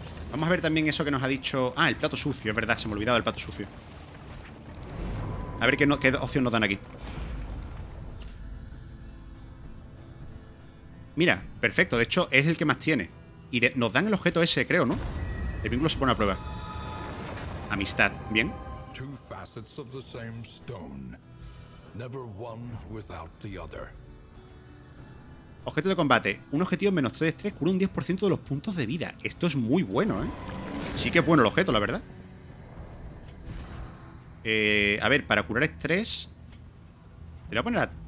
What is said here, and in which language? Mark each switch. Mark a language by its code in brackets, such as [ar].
[es] Vamos a ver también eso que nos ha dicho. Ah, el plato sucio, es verdad, se me olvidaba el plato sucio. A ver qué, no, qué opción nos dan aquí. Mira, perfecto, de hecho es el que más tiene. Y de, nos dan el objeto ese, creo, ¿no? El vínculo se pone a prueba. Amistad, bien. [en] Two facets of the same stone. Never one without the other. [es] Objeto de combate. Un objetivo menos 3 de estrés cura un 10% de los puntos de vida. Esto es muy bueno, ¿eh? Sí que es bueno el objeto, la verdad. A ver, para curar estrés. Te voy a poner a.